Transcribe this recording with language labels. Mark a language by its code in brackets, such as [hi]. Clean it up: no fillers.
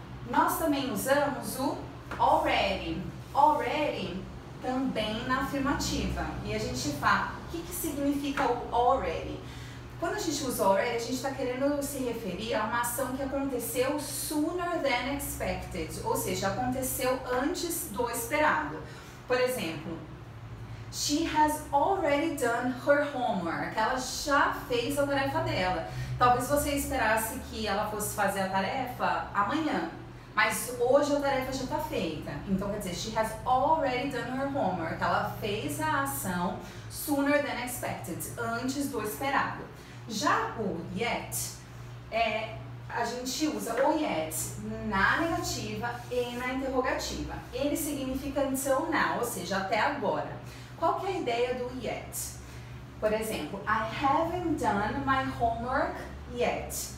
[pt] Nós também usamos o already. Already também na afirmativa. E a gente fala, o que, que significa o already? Quando a gente usa already, a gente está querendo se referir a uma ação que aconteceu [en] sooner than expected. [pt] Ou seja, aconteceu antes do esperado. Por exemplo, [en] she has already done her homework. [pt] Ela já fez a tarefa dela. Talvez você esperasse que ela fosse fazer a tarefa amanhã. Mas hoje a tarefa já está feita. Então, quer dizer, [en] she has already done her homework. [pt] Ela fez a ação [en] sooner than expected, [pt] antes do esperado. Já o yet, a gente usa o yet na negativa e na interrogativa. Ele significa [en] until now, [pt] ou seja, até agora. Qual que é a ideia do yet? Por exemplo, [en] I haven't done my homework yet.